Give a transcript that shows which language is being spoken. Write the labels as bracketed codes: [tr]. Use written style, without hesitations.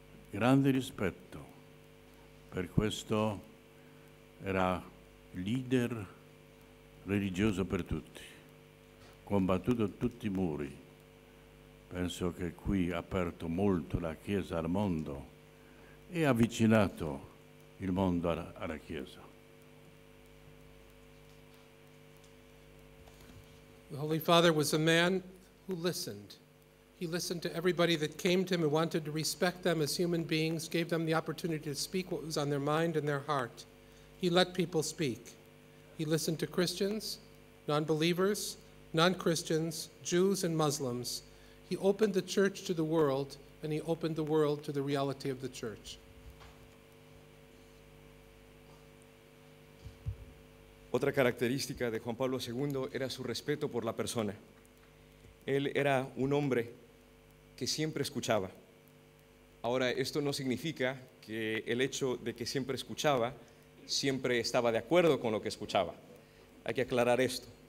[it] Grande rispetto. Per questo era leader religioso per tutti, combattuto tutti i muri. Penso che qui ha aperto molto la Chiesa al mondo e ha avvicinato il mondo alla Chiesa. [en] The Holy Father was a man who listened. He He listened to everybody that came to him and wanted to respect them as human beings, gave them the opportunity to speak what was on their mind and their heart. He let people speak. He listened to Christians, non-believers, non-Christians, Jews, and Muslims. He opened the church to the world, and he opened the world to the reality of the church. [es] Otra característica de Juan Pablo II era su respeto por la persona. Él era un hombre que siempre escuchaba. Ahora, esto no significa que el hecho de que siempre escuchaba, siempre estaba de acuerdo con lo que escuchaba. Hay que aclarar esto.